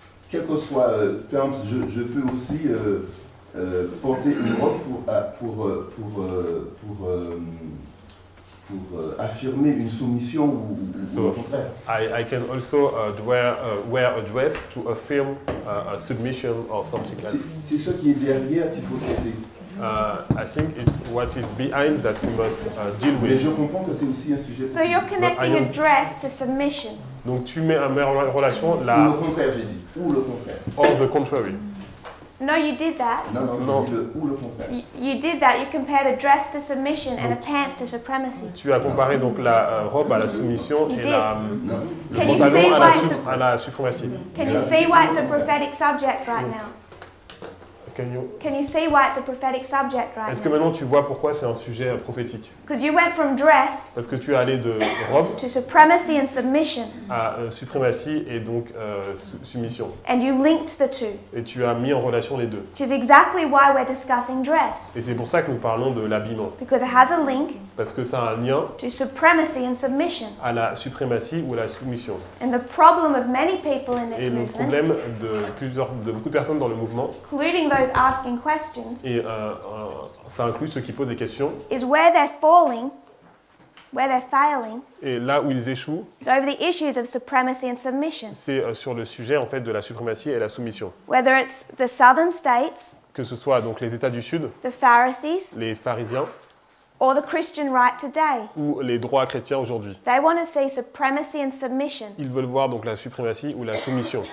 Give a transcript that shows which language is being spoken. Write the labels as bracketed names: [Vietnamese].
[French] Quel que soit pants, je peux aussi porter une robe pour affirmer une soumission ou [English] so, [French] au contraire. [English] I can also wear a dress to affirm a submission or something like that. [French] C'est ce qui est derrière qu'il faut traiter. [English] I think it's what is behind that we must deal with. [French] Mais je comprends que c'est aussi un sujet. [English] So you're connecting a dress to submission. [French] Donc tu mets en relation la. Ou le contraire, j'ai dit. Ou le contraire. [English] Or the contrary. No, you did that. No. You did that. You compared a dress to submission and a pants to supremacy. [French] Tu as comparé donc la robe à la soumission et la pantalon à la suprématie. [English] Can you see why it's a prophetic subject right now? Can you see why it's a prophetic subject right now? [French] Est-ce que maintenant tu vois pourquoi c'est un sujet prophétique? [English] Because you went from dress. [French] Parce que tu es allé de robe. [English] To supremacy and submission. [French] À suprématie et donc soumission. [English] And you linked the two. [French] Et tu as mis en relation les deux. [English] Which is exactly why we're discussing dress. [French] Et c'est pour ça que nous parlons de l'habillement. [English] Because it has a link. [French] Parce que ça a un lien. [English] To supremacy and submission. [French] À la suprématie ou à la soumission. [English] And the problem of many people in this movement. [French] Et le problème de beaucoup de personnes dans le mouvement. [English] Including those asking questions. [French] Et ça inclut ceux qui posent des questions. [English] Is where they're falling, where they're failing. [French] Et là où ils échouent. [English] It's over the issues of supremacy and submission. [French] C'est sur le sujet en fait de la suprématie et la soumission. [English] Whether it's the southern states. [French] Que ce soit donc les États du Sud. [English] The Pharisees. [French] Les pharisiens. [English] Or the Christian right today. [French] Ou les droits chrétiens aujourd'hui. [English] They want to see supremacy and submission. [French] Ils veulent voir donc la suprématie ou la soumission.